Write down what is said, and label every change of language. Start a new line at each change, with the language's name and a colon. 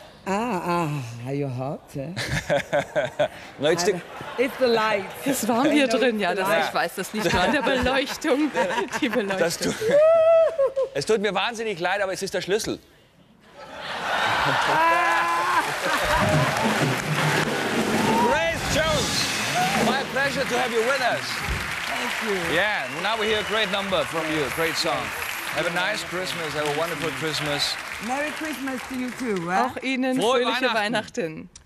English: Are you hot? Eh? No, it's the light.
German: Es war hier drin, ja. Ich weiß, das liegt an der Beleuchtung. Die Beleuchtung. Es tut mir wahnsinnig leid, aber es ist der Schlüssel.
English: Grace Jones, my pleasure to have you with us. Thank you. Yeah, now we hear a great number from you, a great song. Have a nice Christmas, have a wonderful Christmas. Merry Christmas to you too.
German: Auch Ihnen fröhliche Weihnachten.